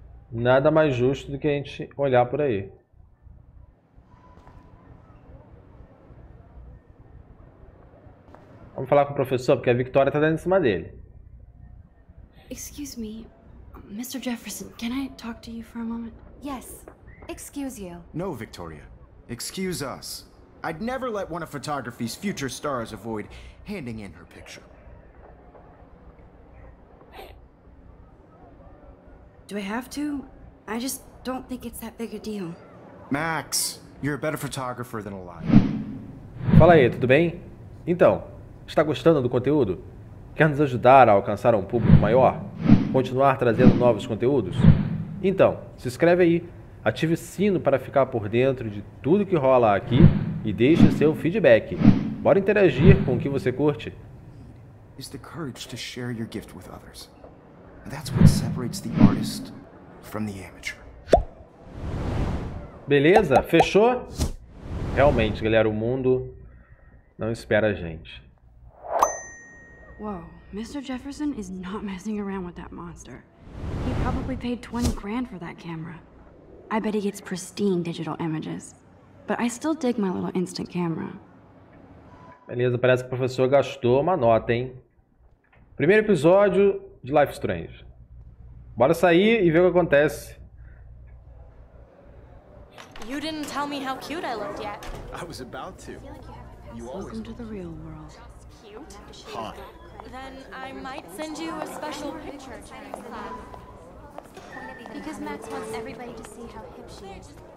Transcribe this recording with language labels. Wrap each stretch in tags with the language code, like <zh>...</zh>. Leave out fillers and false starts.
<pt>Nada mais justo do que a gente olhar por aí. Vamos falar com o professor, porque a Victoria tá dando em cima dele.</pt> <en>Excuse me, Mr. Jefferson, can I talk to you for a moment? Yes. Excuse you. No, Victoria. Excuse us. I'd never let one of photography's future stars avoid handing in her picture. Do I have to? I just don't think it's that big a deal. Max, you're a better photographer than a lot.</en> <pt>Fala aí, tudo bem? Então, está gostando do conteúdo? Quer nos ajudar a alcançar um público maior? Continuar trazendo novos conteúdos? Então, se inscreve aí, ative o sino para ficar por dentro de tudo que rola aqui e deixe seu feedback. Bora interagir com o que você curte.</pt> <en>Is the courage to share your gift with others. That's what separates the artist from the amateur.</en> <pt>Beleza? Fechou? Realmente, galera, o mundo não espera a gente.</pt> <en>Whoa, Mr. Jefferson is not messing around with that monster. He probably paid 20 grand for that camera. I bet he gets pristine digital images. But I still dig my little instant camera.</en> <pt>Beleza, parece que o professor gastou uma nota, hein? Primeiro episódio de Life Strange. Bora sair e ver o que acontece.</pt> <en>You didn't tell me how cute I looked yet. I was about to. You always welcome to the real world. Cute? Hot. Then I might send you a special picture to your class. Because Max wants everybody to see how hip she is.</en>